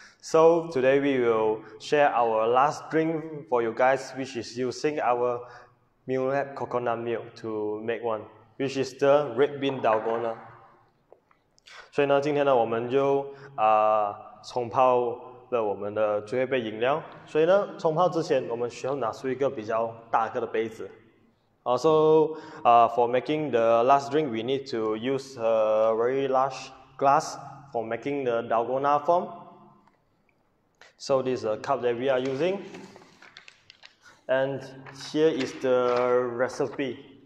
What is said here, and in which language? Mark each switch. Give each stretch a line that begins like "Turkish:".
English: So today we will share our last drink for you guys, which is using our Mulet Coconut Milk to make one, which is the Red Bean Dalgona.
Chinese: 所以呢，今天呢，我们就冲泡了我们的最后一杯饮料。所以呢，冲泡之前，我们需要拿出一个比较大个的杯子。
English: Also, for making the last drink, we need to use a very large glass for making the dalgona foam. So this is a cup that we are using. And here is the recipe.